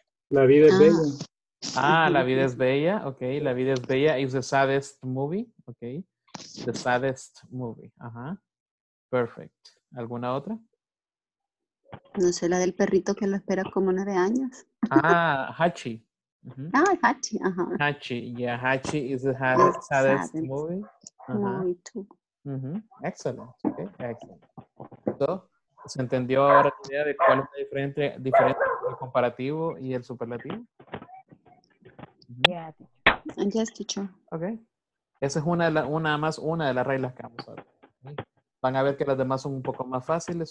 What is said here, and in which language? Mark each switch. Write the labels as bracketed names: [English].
[Spanish] La vida es bella. [English] Ah, La vida es bella, okay. La vida es bella is the saddest movie, okay. The saddest movie, ajá. Perfect. [Spanish] ¿Alguna otra? No sé, la del perrito que lo espera como 9 años. Ah, Hachi. Mm-hmm. Ah, Hachi, ajá. [English] Hachi, yeah, Hachi is the saddest, saddest movie. Uh-huh. Excellent, okay, excellent. [Spanish] So, ¿se entendió ahora la idea de cuál es la diferencia entre el comparativo y el superlativo? [English] Yeah. Yes, teacher. Okay. [Spanish] Esa es una de las reglas que vamos a ver. Van a ver que las demás son un poco más fáciles.